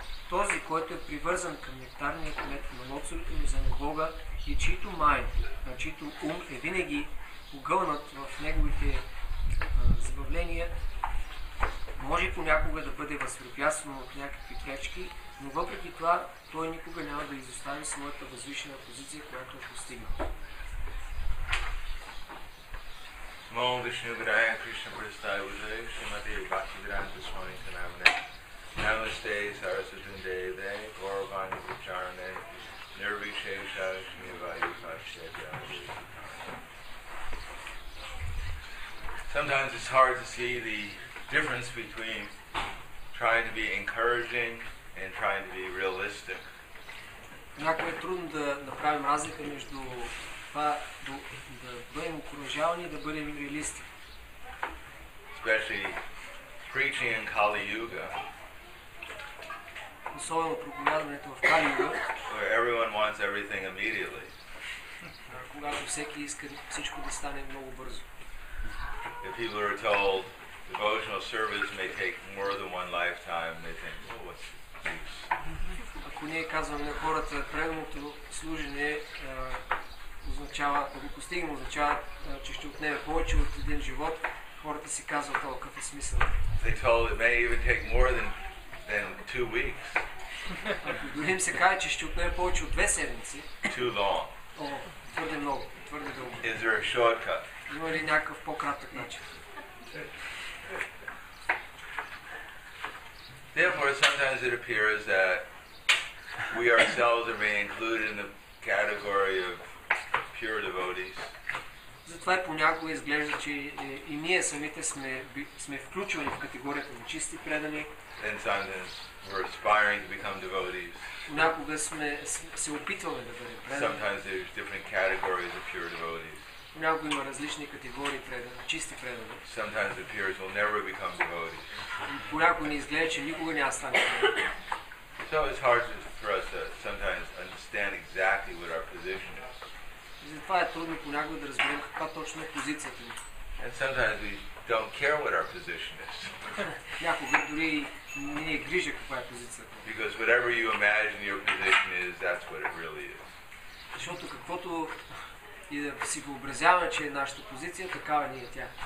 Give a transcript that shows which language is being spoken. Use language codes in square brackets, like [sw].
[bg] Този, който е привързан към нектарния клет на лоцовите му земя Бога и чийто майн, на чийто ум е винаги погълнат в неговите забавления, може понякога да бъде възпрепятстван от някакви пречки, но въпреки това той никога няма да изостави своята възвишена позиция, която е постигнал. Мол Вишню Грая Кришна представи уже Шимати Бхакти Дранта Свами Канамане Намасте Сарасвати Горвани Вичаране Нирвишеша Шмивайи Пашчетя. [en] Sometimes it's hard to see the difference between trying to be encouraging and trying to be realistic. [bg] Някой е трудно да направим разлика между това да бъдем окуражавани и да бъдем реалисти. [en] Especially preaching in Kali Yuga. [bg] Особено проповядването в Кали Юга. [en] Where everyone wants everything immediately. [bg] Когато всеки иска всичко да стане много бързо. [en] If people are told devotional service may take more than one lifetime, they think, well, what's the use? [bg] Ако ние казваме на хората, предното служение означава, ако постигнем, означава, че ще отнеме повече от един живот, хората си казват, ало, какъв е смисъл? [en] They told it may even take more than 2 weeks. [bg] Ако дори им се каже, че ще отнеме повече от 2 седмици, [en] too long. [bg] О, твърде много, твърде дълго. [en] Is there a shortcut? [bg] Има ли някакъв по-кратък начин? [en] Therefore, sometimes it appears that we ourselves are being included in the category of pure devotees. [bg] Затова понякога изглежда, че и ние самите сме включвани в категорията на чисти предани. [en] And sometimes we're aspiring to become devotees. [bg] Понякога се опитваме да бъдем предани. [en] Sometimes there's different categories of pure devotees. [bg] Понякога има различни категории предани, чисти предани. [en] Sometimes it appears we'll never become devotees. [bg] Понякога ни изглежда, че никога няма стане предани. [en] So it's hard for us to sometimes understand exactly what our position is. [bg] Затова е трудно понякога да разберем каква точно е позицията ни. [en] And sometimes we don't care what our position is. [bg] Някога дори не ни е грижа каква е позицията. [en] Because whatever you imagine your position is, that's what it really is. [bg] Защото каквото и да си въобразяваме, че е нашата позиция, такава ни е тя.